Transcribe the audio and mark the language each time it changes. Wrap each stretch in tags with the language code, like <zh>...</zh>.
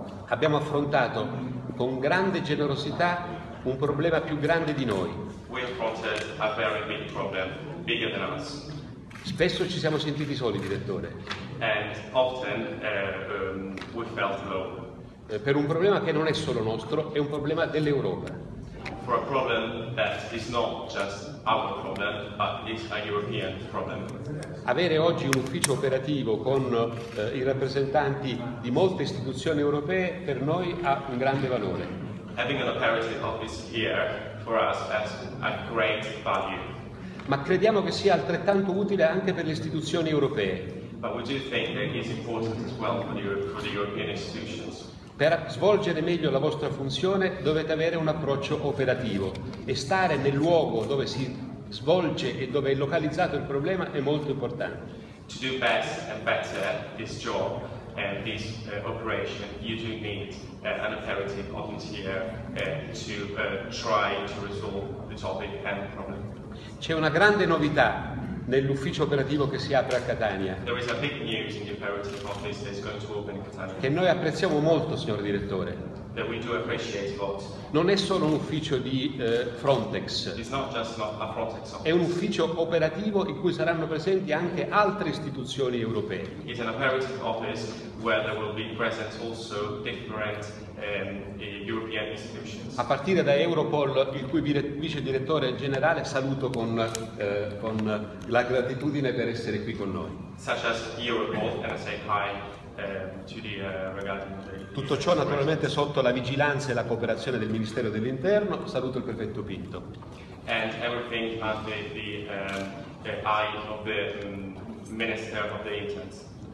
<it>Abbiamo affrontato con grande generosità un problema più grande di noi.</it> <en>We confronted a very big problem, bigger than us.</en> <it>Spesso ci siamo sentiti soli, direttore.</it> <en>And often we felt alone.</en> <it>Per un problema che non è solo nostro, è un problema dell'Europa.</it> <en>For a problem that is not just our problem, but it's a European problem.</en> <it>Avere oggi un ufficio operativo con i rappresentanti di molte istituzioni europee per noi ha un grande valore.</it> <en>Having an operative office here for us has a great value.</en> <it>Ma crediamo che sia altrettanto utile anche per le istituzioni europee.</it> <en>But we do think that it's important as well for the European institutions.</en> <it>Per svolgere meglio la vostra funzione dovete avere un approccio operativo e stare nel luogo dove si svolge e dove è localizzato il problema è molto importante.</it> <en>To do best and better this job and this operation, you do need an operative volunteer to try to resolve the topic and the problem.</en> <it>C'è una grande novità nell'ufficio operativo che si apre a Catania.</it> <en>There is a big news in the operative office that is going to open in Catania.</en> <it>Che noi apprezziamo molto, signor direttore.</it> <en>That we do appreciate a lot.</en> <it>Non è solo un ufficio di Frontex.</it> <en>It's not just a Frontex office.</en> <it>È un ufficio operativo in cui saranno presenti anche altre istituzioni europee.</it> <en>It's an operative office where there will be present also different European institutions.</en> <it>A partire da Europol, il cui vice direttore generale saluto con la gratitudine per essere qui con noi.</it> <en>Such as Europol, and I say hi to the regarding.</en> <it>Tutto ciò naturalmente sotto la vigilanza e la cooperazione del Ministero dell'Interno. Saluto il prefetto Pinto.</it> <en>And everything under the eye of the Minister of the Interns.</en>